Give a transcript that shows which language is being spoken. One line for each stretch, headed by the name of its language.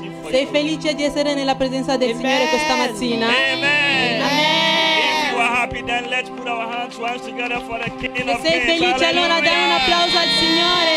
Italian: Sei felice di essere nella presenza del Signore questa mattina? Amen. Amen.
English: If you are happy, then let's put our hands once together for the King of Kings.
Italian: Sei felice, allora dai un applauso al Signore.